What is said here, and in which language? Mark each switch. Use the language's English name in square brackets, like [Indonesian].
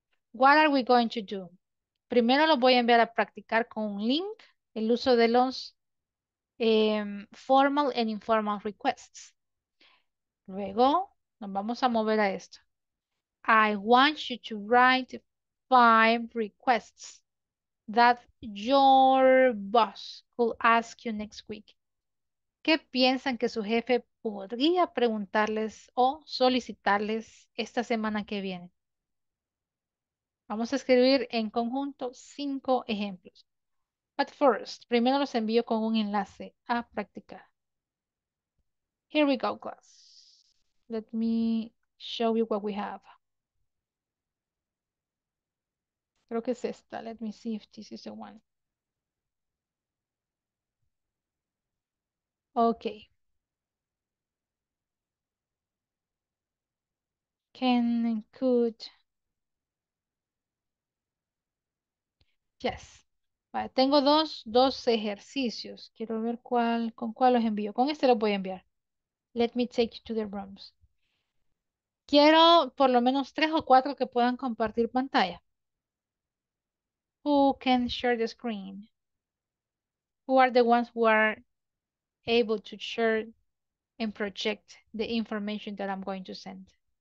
[English] What are we going to do? [Spanish] Primero lo voy a enviar a practicar con un link, el uso de los [English] formal and informal requests. [Spanish] Luego nos vamos a mover a esto. [English] I want you to write 5 requests that your boss could ask you next week. [Spanish] ¿Qué piensan que su jefe podría preguntarles o solicitarles esta semana que viene? Vamos a escribir en conjunto 5 ejemplos. [English] But first, [Spanish] primero los envío con un enlace a practicar. [English] Here we go, class. Let me show you what we have. [Spanish] Creo que es esta. [English] Let me see if this is the one. Okay. Can and could. Yes. [Spanish] Vale, tengo dos ejercicios. Quiero ver con cuál los envío. Con este los voy a enviar. [English] Let me take you to the rooms. [Spanish] Quiero por lo menos 3 o 4 que puedan compartir pantalla. [English] Who can share the screen? Who are the ones who are able to share and project the information that I'm going to send?